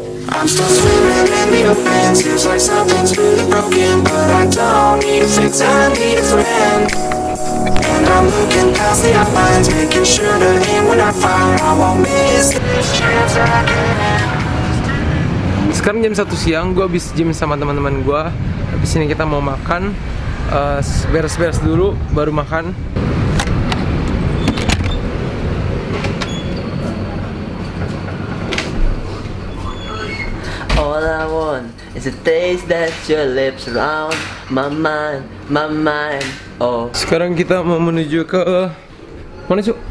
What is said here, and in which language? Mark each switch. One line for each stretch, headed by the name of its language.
English: I'm still swimming in the offense. Feels like something's really broken. But I don't need a fix, I need a friend. And I'm looking past the outlines, making sure to aim when I fire. I won't miss this chance again.
Indonesian: Sekarang jam 1 siang, gue habis gym sama teman-teman gue. Habis ini kita mau makan, beres-beres dulu, baru makan.
English: All I want is a taste that your lips around my mind, oh.
Indonesian: Sekarang kita mau menuju ke mana, Cuk?